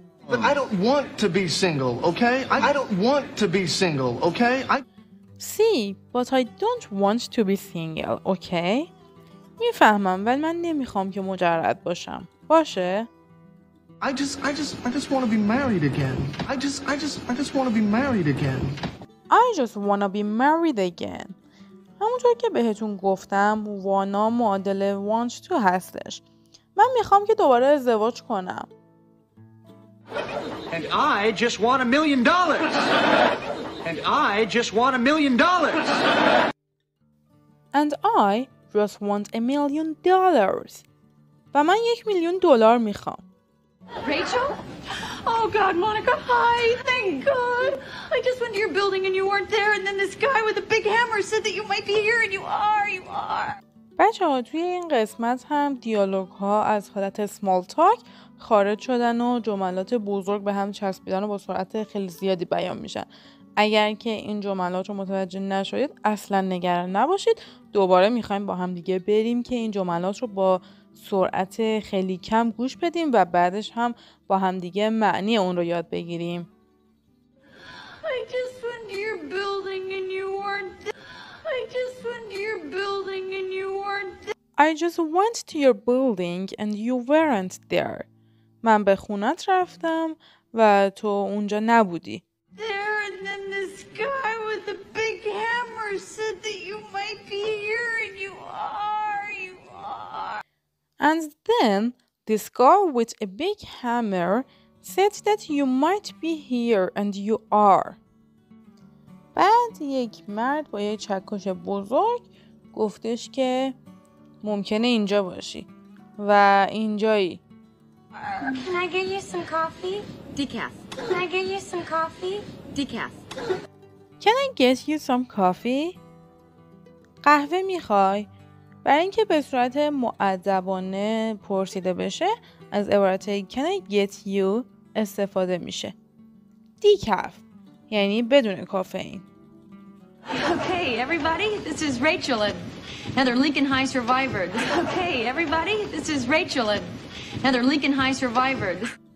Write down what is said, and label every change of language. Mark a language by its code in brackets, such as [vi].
[en] But I don't want to be single, okay? See, but I don't want to be single, okay? [fa] میفهمم ولی من نمیخوام که مجرد باشم. باشه؟ [en] I just want to be married again. I just want to be married again. I just want to be married again. [fa] همونطور که بهتون گفتم وانا معادل [en] want to هستش. [fa] من میخوام که دوباره ازدواج کنم. [en] And I just want $1,000,000. And I just want $1,000,000. And I just want $1,000,000. [fa] و من 1,000,000 دلار میخوام. [en] Rachel? Oh God, Monica, hi, thank God. I just went to your building and you weren't there and then this guy with a big hammer said that you might be here and you are. [fa] بچه ها توی این قسمت هم دیالوگ ها از حالت سمال تاک خارج شدن و جملات بزرگ به هم چسبیدن و با سرعت خیلی زیادی بیان میشن. اگر که این جملات رو متوجه نشدید اصلا نگران نباشید. دوباره میخواییم با هم دیگه بریم که این جملات رو با سرعت خیلی کم گوش بدیم و بعدش هم با هم دیگه معنی اون رو یاد بگیریم. [en] I just went to your building and you weren't there. [fa] من به خونت رفتم و تو اونجا نبودی. [en] There and then this guy with the big hammer said that you might be here and you are. And then this guy with a big hammer said that you might be here and you are. [fa] بعد یک مرد با یه چکش بزرگ گفتش که ممکنه اینجا باشی و اینجایی. [en] Can I get you some coffee? Decaf. [fa] قهوه میخوای؟ برای اینکه به صورت مؤدبانه پرسیده بشه از عبارت [en] Can I get you [fa] استفاده میشه. Decaf یعنی بدون کافئین. [en] Okay, everybody, this is Rachel, another Lincoln High survivor. Okay, everybody, this is Rachel, another Lincoln High survivor.